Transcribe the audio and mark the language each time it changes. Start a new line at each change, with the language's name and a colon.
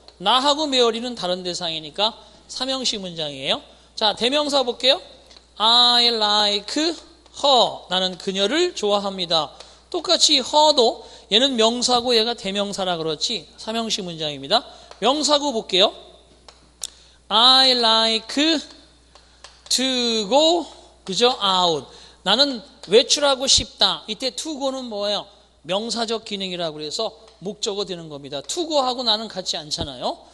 Korean: 나하고 메어리는 다른 대상이니까 삼형식 문장이에요. 자, 대명사 볼게요.
English: I like her.
Korean: 나는 그녀를 좋아합니다. 똑같이 her도 얘는 명사고 얘가 대명사라 그렇지 삼형식 문장입니다. 명사고 볼게요.
English: I like to go,
Korean: 그죠? out. 나는 외출하고 싶다. 이때 to go는 뭐예요? 명사적 기능이라고 해서 목적어 되는 겁니다. to go하고 나는 같지 않잖아요.